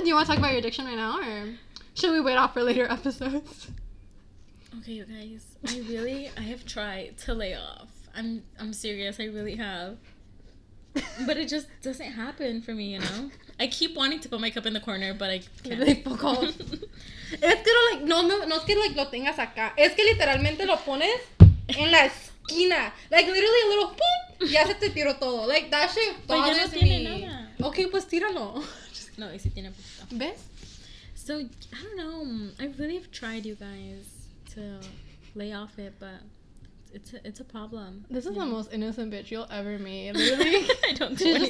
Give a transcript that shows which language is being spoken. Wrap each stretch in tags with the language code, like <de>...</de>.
<en>Do you want to talk about your addiction right now, or should we wait off for later episodes? Okay, you guys. I have tried to lay off. I'm serious. I really have. But it just doesn't happen for me, you know? I keep wanting to put my cup in the corner, but I can't. Like, fuck off.</en> <es>Es que, like, no es que, like, lo tengas acá. Es que literalmente lo pones en la esquina.</es> <en>Like, literally a little boom,</en> <es>ya se te tiró todo.</es> <en>Like, that shit bothers me.</en> <es>Tiene nada. Okay, pues tíralo. No, y si tiene poquito. ¿Ves?</es> <en>So, I don't know. I really have tried, you guys, to lay off it, but... It's a problem. This is the most innocent bitch you'll ever meet. Literally. I don't do anything.</en>